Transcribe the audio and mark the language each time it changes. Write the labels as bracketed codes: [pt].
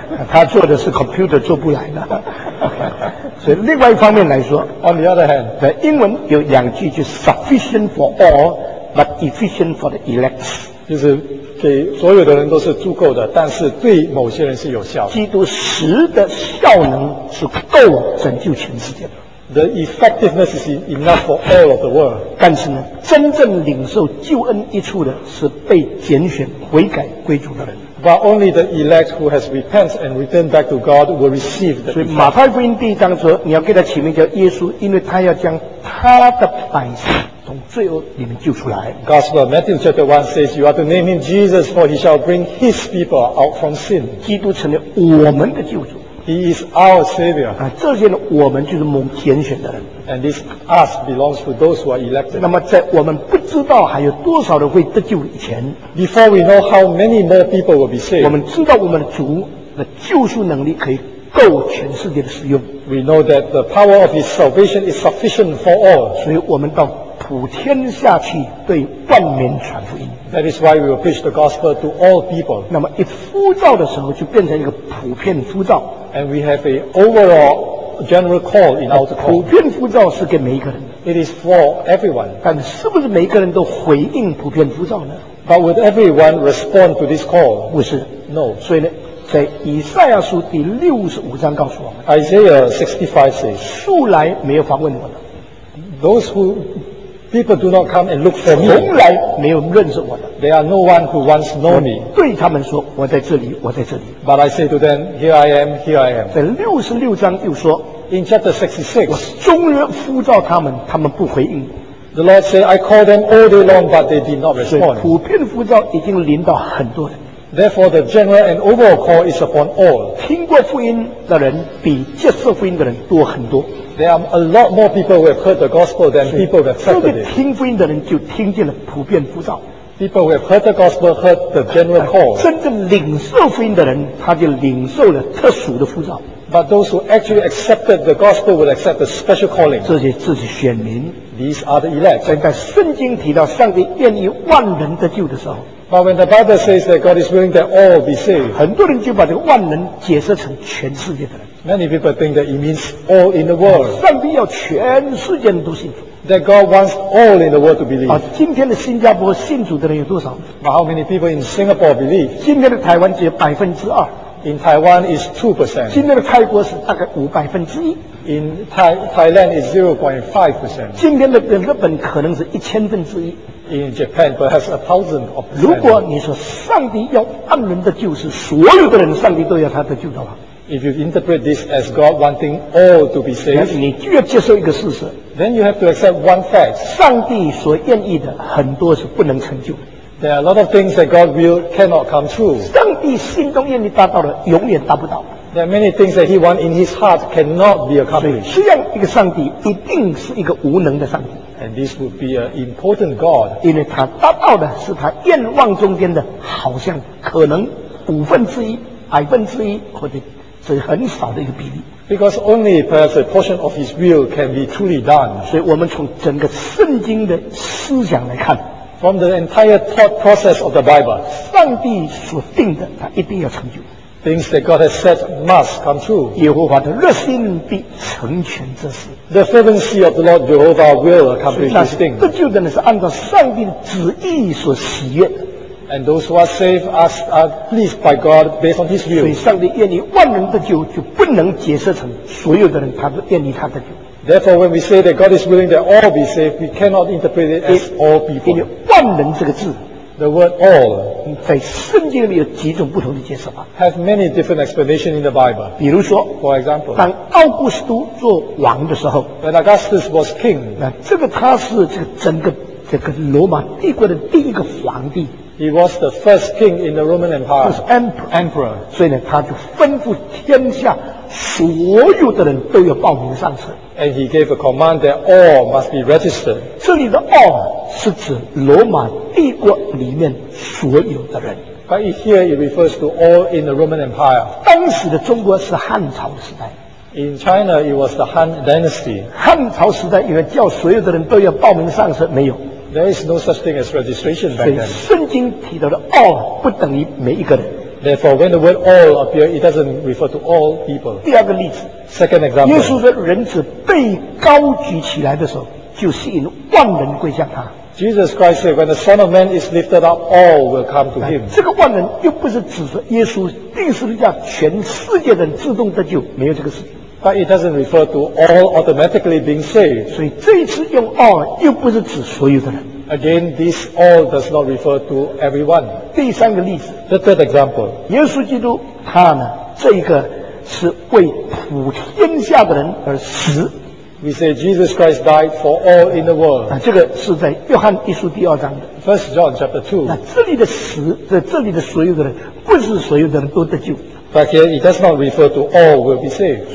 [zh] 他做的是 computer 做不来的。所以另外一方面来说 [en] On the other hand [zh] 在英文有两句就 [en] sufficient for all but efficient for the elect [zh] 就是给所有的人都是足够的但是对某些人是有效的基督死的效能是够拯救全世界的 [en] The effectiveness is enough for all of the world [zh] 但是呢真正领受救恩一处的是被拣选悔改归主的人 [en] But only the elect who has repented and returned back to God will receive the effect. [zh] 所以马太福音第一章说，你要给他起名叫耶稣，因为他要将他的百姓从罪恶里面救出来。 [en] Gospel of Matthew chapter 1 says, you are to name him Jesus, for he shall bring his people out from sin. [zh] 基督成了我们的救主。 [en] He is our Savior. [zh] 这些呢，我们就是蒙拣选的人。 [en] And this us belongs to those who are elected. [zh] 那么在我们不知道还有多少人会得救以前 [en] Before we know how many more people will be saved. [zh] 我们知道我们的主的救赎能力可以够全世界的使用 [en] We know that the power of his salvation is sufficient for all. [zh] 所以我们到普天下去对万民传福音 [en] That is why we will preach the gospel to all people. [zh] 那么一呼召的时候就变成一个普遍呼召 [en] And we have an overall General call in our call. [zh] 普遍呼召是给每一个人的。 [en] It is for everyone. [zh] 但是不是每一个人都回应普遍呼召呢 [en] ？But would everyone respond to this call? [zh] 不是。 [en] No. [zh] 所以呢，在以赛亚书第65章告诉我们。 [en] Isaiah 65 says, [zh] 素来没有访问我的。 [en] Those who people do not come and look for me. [zh] 从来没有认识我的。 [en] There are no one who once know me. [zh] 对他们说，我在这里，我在这里。 [en] But I say to them, here I am, here I am. [zh] 在66章又说 [en] ，In chapter 66, [zh] 我终日呼召他们，他们不回应。 [en] The Lord said, I called them all day long, but they did not respond. [zh] 所以普遍呼召已经临到很多人。 [en] Therefore, the general and overall call is upon all. [zh] 听过福音的人比接受福音的人多很多。 [en] There are a lot more people who have heard the gospel than people who have accepted it. [zh] 这个听福音的人就听见了普遍呼召。 [en] People who have heard the gospel heard the general call. [zh] 真正领受福音的人，他就领受了特殊的呼召。 [en] But those who actually accepted the gospel would accept the special calling. [zh] 这是选民。 [en] These are the elect. [zh] 在圣经提到上帝愿意万人得救的时候。 [en] But when the Bible says that God is willing that all be saved, [zh] 很多人就把这个万人解释成全世界的人。 [en] Many people think that it means all in the world. [zh] 上帝要全世界都信主。 [en] That God wants all in the world to believe. [zh] 今天的新加坡信主的人有多少 [en] ？But how many people in Singapore believe? [zh] 今天的台湾只有2%。 [en] In Taiwan is 2%. [zh] 今天的泰国是大概5%。 [en] In Thailand is 0.5%. [zh] 今天的日本可能是1/1%。 [en] In Japan, perhaps 1,000 of them. [zh] 如果你说上帝要万人的救，是所有的人，上帝都要他的救的话 [en] ，If you interpret this as God wanting all to be saved, [zh] 你就要接受一个事实 [en] ，Then you have to accept one fact. [zh] 上帝所愿意的很多是不能成就。 [en] There are a lot of things that God will cannot come true. [zh] 上帝心中愿意达到的，永远达不到。 [en] There are many things that He wants in His heart cannot be accomplished. [zh] 所以，这样一个上帝一定是一个无能的上帝。 [en] And this would be an important God. [zh] 因为他达到的是他愿望中间的，好像可能1/5、1/2，或者是很少的一个比例。 [en] Because only perhaps a portion of His will can be truly done. [zh] 所以我们从整个圣经的思想来看 [en] ，from the entire thought process of the Bible, [zh] 上帝所定的，他一定要成就。 [en] Things that God has said must come true. [zh] 耶和华的热心必成全这事。 [en] The fervency of the Lord Jehovah will accomplish this thing. [zh] 得救的呢是按照上帝的旨意所喜悦。 [en] And those who are saved are pleased by God based on His will. [zh] 所以上帝愿意万人得救，就不能解释成所有的人他都愿意他得救。 [en] Therefore, when we say that God is willing that all be saved, we cannot interpret it as all people. [zh] 因为万能这个字 [en] the word all, [zh] 在圣经里面有几种不同的解释法 [en] have many different explanations in the Bible. [zh] 比如说 [en] for example, [zh] 当奥古斯都做王的时候 [en] when Augustus was king, [zh] 那这个他是这个整个这个罗马帝国的第一个皇帝 [en] he was the first king in the Roman Empire. [zh] 他是 emperor. 所以呢他就吩咐天下所有的人都要报名上车 [en] and he gave a command that all must be registered. [zh] 这里的 all 是指罗马帝国里面所有的人 [en] but here it refers to all in the Roman Empire. [zh] 当时的中国是汉朝时代 [en] in China it was the Han Dynasty. [zh] 汉朝时代也叫所有的人都要报名上车没有 [en] there is no such thing as registration back then. [zh] 所以圣经提到的 all 不等于每一个人 [en] Therefore, when the word all appears, it doesn't refer to all people. [zh] 第二个例子 [en] Second example. [zh] 耶稣说人子被高举起来的时候就吸引万人归向他 [en] Jesus Christ said, when the Son of Man is lifted up, all will come to him. [zh] 这个万人又不是指着耶稣定时的叫全世界人自动得救没有这个事情 [en] But it doesn't refer to all automatically being saved. [zh] 所以这一次用 all 又不是指所有的人 [en] Again, this all does not refer to everyone. [zh] 第三个例子 [en] The third example [zh] 耶稣基督他呢这一个是为普天下的人而死 [en] We say Jesus Christ died for all in the world [zh] 那这个是在约翰一书第二章的 [en] First John chapter 2 [zh] 那这里的死在这里的所有的人不是所有的人都得救 [en] But here it does not refer to all will be saved